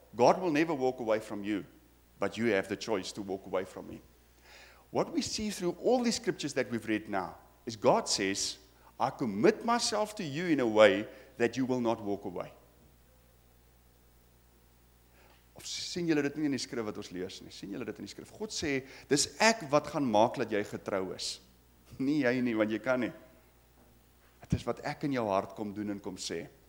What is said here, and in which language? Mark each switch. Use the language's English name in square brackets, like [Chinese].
[English] God will never walk away from you, but you have the choice to walk away from him. What we see through all these scriptures that we've read now, is God says, I commit myself to you in a way that you will not walk away. [Afrikaans] Of sien julle dit nie in die skrif wat ons lees nie? Sien julle dit in die skrif? God sê, dis ek wat gaan maak dat jy getrou is. Nie jy nie, want jy kan nie. Het is wat ek in jou hart kom doen en kom sê.